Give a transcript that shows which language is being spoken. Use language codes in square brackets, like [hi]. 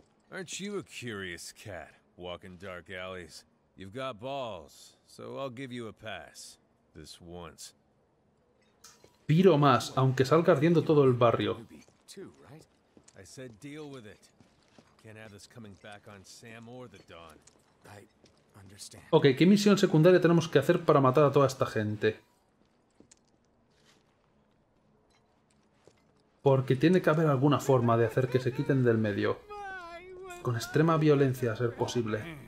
[en] Aren't you a curious cat, walking dark alleys? You've got balls, so I'll give you a pass. This once. [es] Piro más, aunque salga ardiendo todo el barrio. [en] I said deal with it. Can't have this coming back on Sam or the Dawn. I understand. [es] Ok, ¿qué misión secundaria tenemos que hacer para matar a toda esta gente? Porque tiene que haber alguna forma de hacer que se quiten del medio. Con extrema violencia, a ser posible.